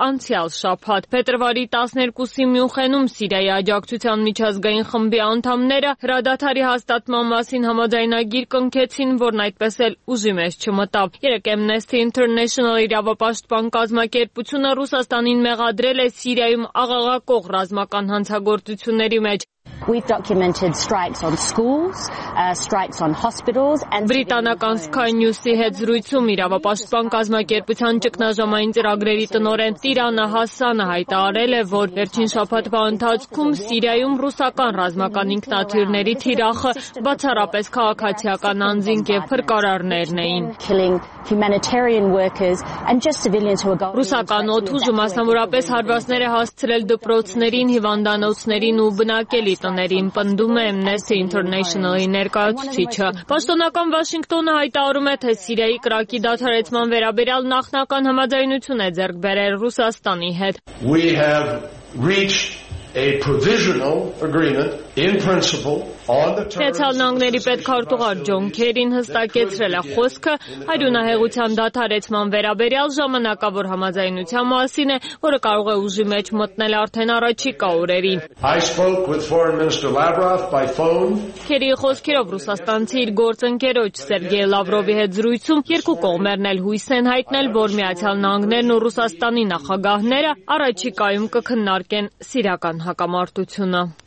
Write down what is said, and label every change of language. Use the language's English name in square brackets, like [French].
[Armenian] անցյալ շաբաթ, փետրվարի 12-ի Մյունխենում Սիրիայի աջակցության միջազգային խմբի անդամները հրադադարի հաստատման մասին համաձայնագիր կնքեցին, որն այդպես էլ ուժի մեջ չմտավ։ Երեկ Amnesty International իրավապաշտպան կազմակերպությունը Ռուսաստանին մեղադրել է Սիրիայում աղաղակող ռազմական հանցագործությունների մեջ։ [English] We've documented strikes on schools, strikes on hospitals and [Armenian] Բրիտանական Sky News-ի հետ զրույցում իրավապաշտպան կազմակերպության ճգնաժամային ծրագրերի տնօրեն Տիրանա Հասանը հայտարարել է, որ վերջին շաբաթվա ընթացքում Սիրիայում ռուսական ռազմական ինքնաթիռների թիրախը բացառապես քաղաքացիական անձինք եւ փրկարարներն էին։ [English] Humanitarian workers and just civilians who are going [Armenian] Ռուսական օթուժը մասնավորապես հարվածներ է հասցրել դպրոցներին, հիվանդանոցներին ու բնակելի տներին, պնդում է Amnesty International-ի ներկայացուցիչը։ Պաշտոնական Վաշինգտոնը հայտարարում է, թե Սիրիայի կրակի դադարեցման վերաբերյալ նախնական համաձայնություն է ձեռք բերել Ռուսաստանի հետ։ [English] We have reached a provisional agreement in principle on the terms [Armenian] Քեցալնանգների պետքարտուղար Ջոն Քերին հստակեցրել է խոսքը հայրենահեղության դադարեցման վերաբերյալ ժամանակավոր համաձայնության մասին, որը կարող է ուժի մեջ մտնել արդեն առաջիկա օրերին։ [English] I spoke with Foreign Minister Lavrov by phone. [Armenian] Քերի խոսքերով ռուսաստանցի իր գործընկերոջ Սերգեյ Լավրովի հետ զրույցում երկու կողմերն էլ հույս են հայտնել, որ Միացյալ Նահանգներն ու Ռուսաստանի նախագահները առաջիկայում կքննարկեն Սիրիայի կան հակամարտությունը։